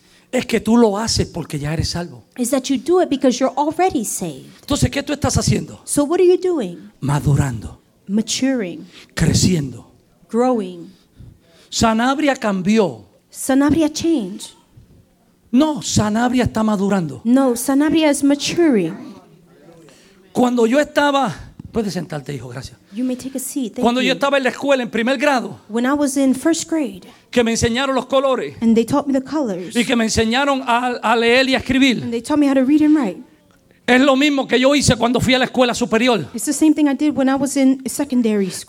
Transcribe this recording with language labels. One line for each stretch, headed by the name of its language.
Spanish: Es que tú lo haces porque ya eres salvo.
English: Is that you do it because you're already saved.
Spanish: Entonces, ¿qué tú estás haciendo?
English: So what are you doing?
Spanish: Madurando.
English: Maturing.
Spanish: Creciendo.
English: Growing.
Spanish: Sanabria cambió.
English: Sanabria changed.
Spanish: No, Sanabria está madurando.
English: No, Sanabria is maturing.
Spanish: Cuando yo estaba... Puedes sentarte, hijo, gracias.
English: You may take a seat. Thank
Spanish: cuando
English: you.
Spanish: Yo estaba en la escuela en primer grado,
English: when I was in first grade,
Spanish: que me enseñaron los colores,
English: and they taught me the colors,
Spanish: y que me enseñaron a leer y a escribir,
English: and they taught me how to read and write.
Spanish: Es lo mismo que yo hice cuando fui a la escuela superior.
English: It's the same thing I did when I was in secondary school.